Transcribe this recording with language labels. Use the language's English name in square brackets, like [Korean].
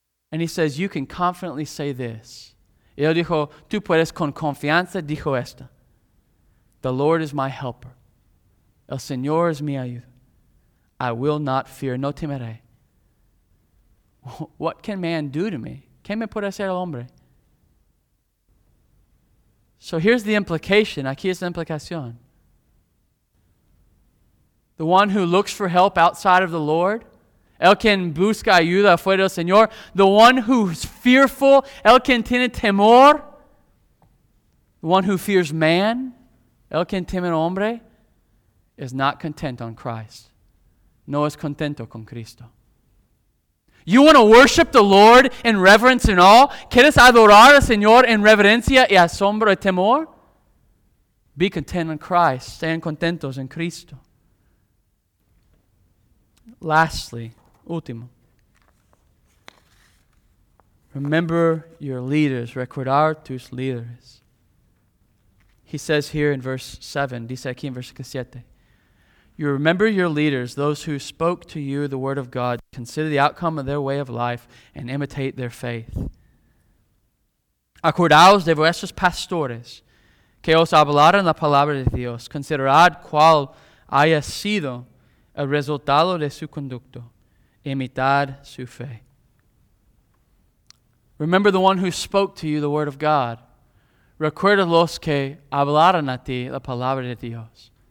[English] And He says, you can confidently say this. [Spanish] Y Él dijo, tú puedes con confianza, dijo esta. [English] The Lord is my helper. [Spanish] El Señor es mi ayuda. [English] I will not fear. [Spanish] No temeré. [English] What can man do to me? [Spanish] ¿Qué me puede hacer el hombre? [English] So here's the implication. [Spanish] Aquí es la implicación. [English] The one who looks for help outside of the Lord, [Spanish] el quien busca ayuda fuera del Señor, [English] the one who's fearful, [Spanish] el quien tiene temor, [English] the one who fears man, [Spanish] el quien teme al hombre, [English] is not content on Christ. [Spanish] No es contento con Cristo. [English] You want to worship the Lord in reverence and awe? [Spanish] ¿Quieres adorar al Señor en reverencia y asombro y temor? [English] Be content in Christ. [Spanish] Sean contentos en Cristo. [English] Lastly, [Spanish] último. [English] Remember your leaders. [Spanish] Recordar tus líderes. [English] He says here in verse 7, [Spanish] dice aquí en versículo 7, [English] you remember your leaders, those who spoke to you the word of God. Consider the outcome of their way of life and imitate their faith. [Spanish] Acordaos de vuestros pastores que os hablaron la palabra de Dios. Considerad cuál haya sido el resultado de su conducto. Imitad su fe. [English] Remember the one who spoke to you the word of God. [Spanish] Recuerda los que hablaron a ti la palabra de Dios.